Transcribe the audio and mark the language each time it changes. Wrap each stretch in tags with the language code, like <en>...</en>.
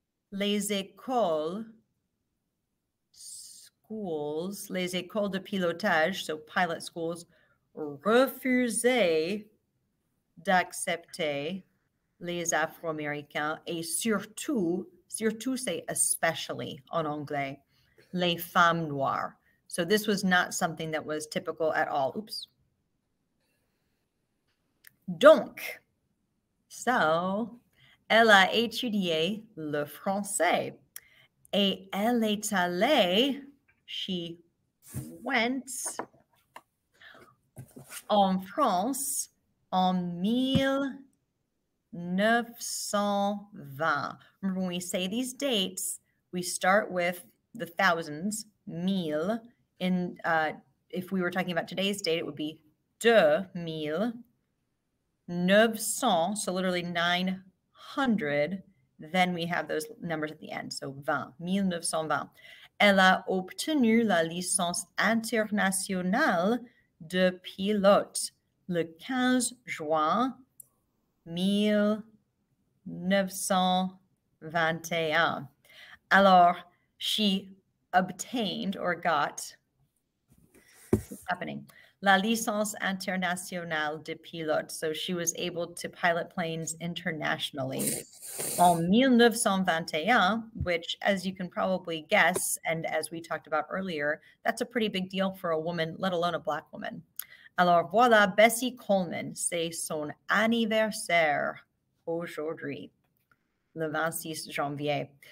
<fr>Les écoles,</fr> <en>schools,</en> <fr>les écoles de pilotage,</fr> <en>so pilot schools,</en> <fr>refusaient d'accepter les Afro-Américains et surtout c'est</fr> <en>especially</en> <fr>en anglais, les femmes noires.</fr> <en>So this was not something that was typical at all. Oops.</en> <fr>Donc,</fr> <en>so,</en> <fr>elle a étudié le français et elle est allée,</fr> <en>she went</en> <fr>en France en 1920.</fr> <en>Remember when we say these dates, we start with the thousands,</en> <fr>mille.</fr> <en>If we were talking about today's date, it would be 2900, so literally 900. Then we have those numbers at the end, so 20, 1920.</en> <fr>Elle a obtenu la licence internationale de pilote le 15 juin 1921. Alors,</fr> <en>she obtained or got, what's happening,</en> <fr>la licence internationale de pilote.</fr> <en>So she was able to pilot planes internationally</en> <fr>en 1921,</fr> <en>which, as you can probably guess, and as we talked about earlier, that's a pretty big deal for a woman, let alone a Black woman.</en> <fr>Alors voilà, Bessie Coleman, c'est son anniversaire aujourd'hui, le 26 janvier.</fr>